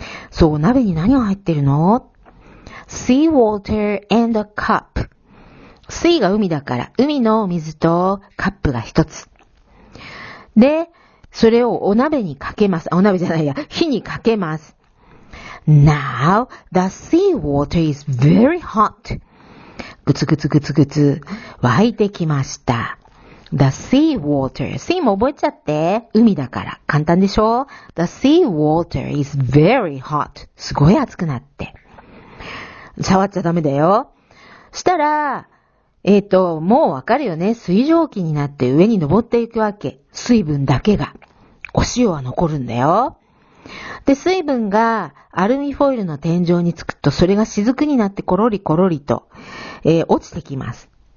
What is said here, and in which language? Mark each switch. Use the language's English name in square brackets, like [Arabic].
[Japanese] そう、鍋に何が入ってるの？ [English] Sea water and a cup。 [Japanese] 水が海だから、海の水とカップが一つ。で、それをお鍋にかけます。あ、お鍋じゃないや、火にかけます。 [English] Now the sea water is very hot。 [Japanese] ぐつぐつぐつぐつ沸いてきました。 [English] The sea water、 [Japanese] sea も覚えちゃって、海だから、簡単でしょ。 [English] The sea water is very hot。 [Japanese] すごい熱くなって、触っちゃダメだよ。したら、もうわかるよね。水蒸気になって上に登っていくわけ。水分だけが、お塩は残るんだよ。で、水分がアルミフォイルの天井につくと、それが雫になってコロリコロリと、落ちてきます。